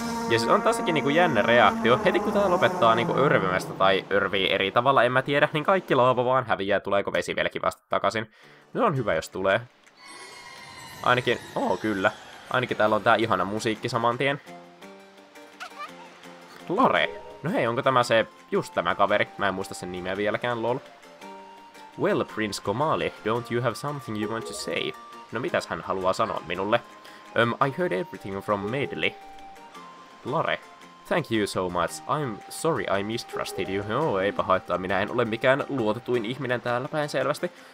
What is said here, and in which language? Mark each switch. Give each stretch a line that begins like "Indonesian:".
Finnish: Ja siis on tässäkin niinku jännä reaktio. Heti kun tää lopettaa niinku örvimästä tai örvii eri tavalla, en mä tiedä, niin kaikki laava vaan häviää, tuleeko vesi vieläkin vasta takaisin. No on hyvä, jos tulee. Ainakin, oo kyllä. Ainakin täällä on tää ihana musiikki saman tien. Lore. No hei, onko tämä se, just tämä kaveri? Mä en muista sen nimeä vieläkään, lol.
English: Well, Prince Komali, don't you have something you want to say?
Finnish: No mitäs hän haluaa sanoa minulle?
English: I heard everything from Medley. Lore. Thank you so much. I'm sorry I mistrusted you.
Finnish: Oh, eipä haittaa, minä en ole mikään luotetuin ihminen täällä päin selvästi.